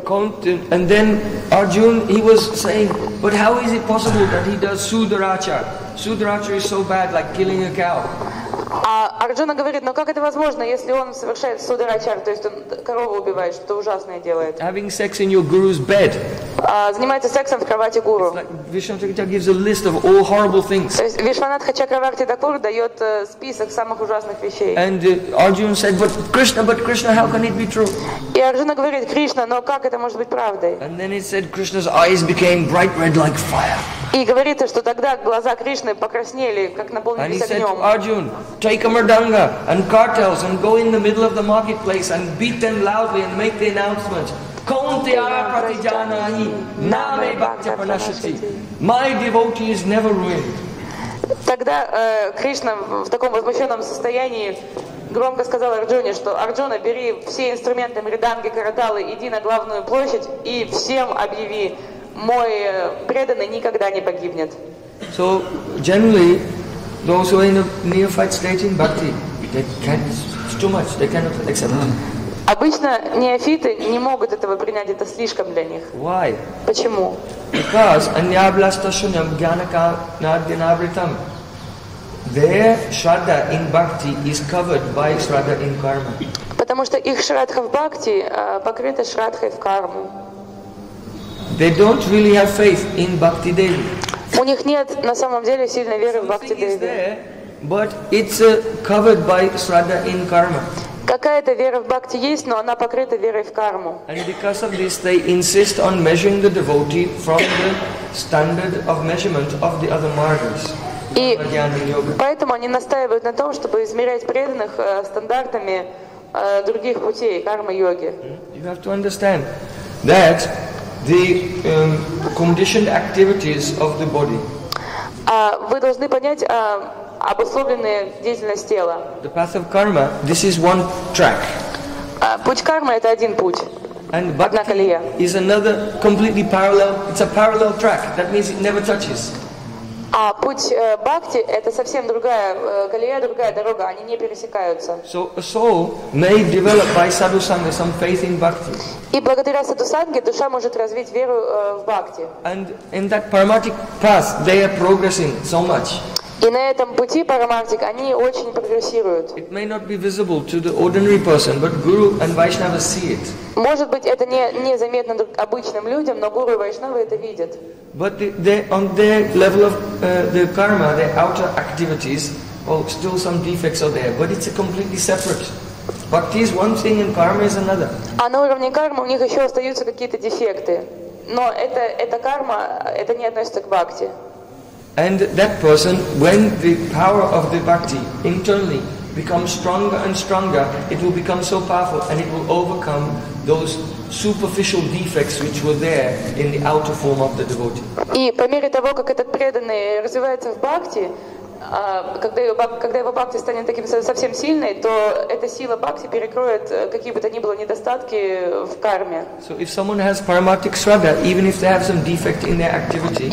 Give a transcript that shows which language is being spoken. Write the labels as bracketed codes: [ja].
[en] And then Arjun, he was saying, but how is it possible that he does sudaracha? Sudaracha is so bad, like killing a cow. [ru] А Арджуна говорит, но как это возможно, если он совершает сударачар, то есть он корову убивает, что-то ужасное делает. [en] Having sex in your guru's bed. [ru] Занимается сексом в кровати гуру. [en] Вишванатха gives a list of all horrible things. [ru] Вишванатха Чакраварти Дакур дает список самых ужасных вещей. [en] And Arjuna said, but Krishna, how can it be true? [ru] И Арджуна говорит, Кришна, но как это может быть правдой? [en] And then it said, Krishna's eyes became bright red like fire. [ru] И говорит, что тогда глаза Кришны покраснели, как наполнились огнем. [en] Arjun, take a mridanga and cartels and go in the middle of the marketplace and beat them loudly and make the announcement. [sa] Kauntiya pratijanahi name bhakti pranashati. [en] My devotee is never ruined. [ru] Тогда Кришна в таком возмущенном состоянии громко сказал Арджуне, что Арджуна, бери все инструменты мриданги, карталы, иди на главную площадь и всем объяви. Мой преданный никогда не погибнет. [en] So generally, those who are in a neophyte state in bhakti, they can't. It's too much. They cannot accept. [ru] Обычно неофиты не могут этого принять. Это слишком для них. [en] Why? [ru] Почему? [sa] Because anyablastashunam gyanaka nadinabritam. [en] Their shraddha in bhakti is covered by shraddha in karma. [ru] Потому что их шрадха в бхакти покрыта шрадхой в карму. [en] They don't really have faith in Bhakti Devi. [ru] У них нет на самом деле сильной веры в Бхакти Деви. [en] But it's covered by Shraddha in Karma. [ru] Какая-то вера в Бхакти есть, но она покрыта верой в карму. [en] And because of this, they insist on measuring the devotee from the standard of measurement of the other margas. [ru] И поэтому они настаивают на том, чтобы измерять преданных стандартами других путей кармы йоги. [en] You have to understand that. The conditioned activities of the body. [ru] Вы должны понять обусловленные деятельность тела. [en] The path of karma. This is one track. [ru] Путь кармы это один путь. [en] And bhakti is another completely parallel. It's a parallel track. That means it never touches. [ru] А путь бхакти это совсем другая колея, другая дорога, они не пересекаются. [en] So a soul may develop by sadhusanga some faith in bhakti. [ru] И благодаря садхусанге душа может развить веру в бхакти. [en] And in that paramartic path they are progressing so much. [ru] И на этом пути парамартик они очень прогрессируют. [en] It may not be visible to the ordinary person, but guru and vaishnava see it. [ru] Может быть, это не заметно обычным людям, но гуру и вайшнавы это видят. [en] But on their level of the karma, their outer activities, well, still some defects are there. But it's a completely separate. Bhakti is one thing, and karma is another. [ru] А на уровне кармы у них еще остаются какие-то дефекты, но это карма, это не относится к бхакти. [en] And that person, when the power of the bhakti internally becomes stronger and stronger, it will become so powerful, and it will overcome those superficial defects which were there in the outer form of the devotee. [ru] И по мере того, как этот преданный развивается в бхакти, когда его бхакти станет таким совсем сильной, то эта сила бхакти перекроет какие бы то ни было недостатки в карме. [en] So if someone has paramartic shraddha, even if they have some defect in their activity.